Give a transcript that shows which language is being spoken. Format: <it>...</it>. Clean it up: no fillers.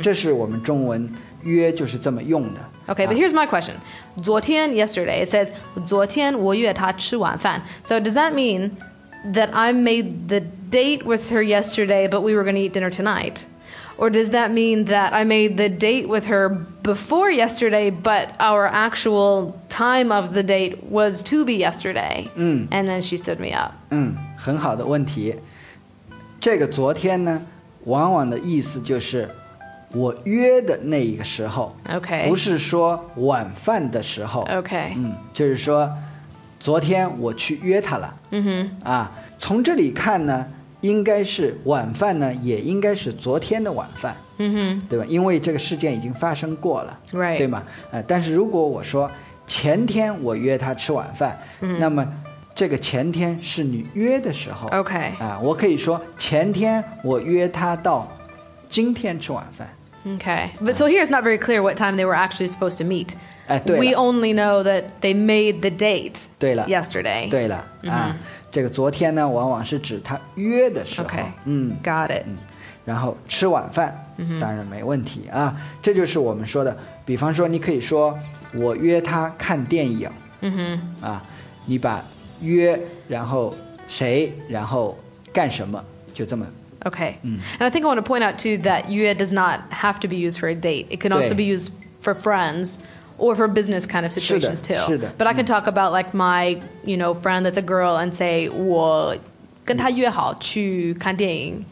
<zh>这是我们中文约就是这么用的。</zh> <en>Okay, but here's my question. 昨天 yesterday, it says,</en> <zh>昨天我约她吃晚饭</zh> <en>So does that mean that I made the date with her yesterday, but we were going to eat dinner tonight? Or does that mean that I made the date with her before yesterday, but our actual time of the date was to be yesterday?、And then she stood me up.</en> <zh>嗯，很好的问题。这个昨天呢，往往的意思就是我约的那一个时候</zh> <en>okay.</en> <zh>不是说晚饭的时候</zh> <en>okay.、</en> <zh>就是说昨天我去约他了。嗯哼。啊，从这里看呢，应该是晚饭呢，也应该是昨天的晚饭。嗯哼。对吧？因为这个事件已经发生过了。</zh> <en>Right.</en> <zh>对吗？但是如果我说前天我约他吃晚饭，嗯，那么这个前天是你约的时候。</zh> <en>OK.</en> <zh>啊，我可以说前天我约他到今天吃晚饭。</zh> <en>Okay. But so here it's not very clear what time they were actually supposed to meet.</en> <zh>哎，对</zh> <en>了。We only know that they made the date.</en> <zh>对了。</zh> <en>Yesterday.</en> <zh>对了。 Mm-hmm. 啊，这个昨天呢，往往是指他约的时候。</zh> <en>Okay. 嗯。 Got it. 嗯。</en> <zh>然后吃晚饭，当然没问题啊。 Mm-hmm. 这就是我们说的，比方说你可以说我约他看电影。嗯哼。啊，你把约，然后谁，然后干什么，就这么。</zh> <en>Okay, and I think I want to point out too that 约 does not have to be used for a date. It can also be used for friends or for business kind of situations too. But I can talk about like my, you know, friend that's a girl and say</en> <zh>我跟她约好去看电影。</zh>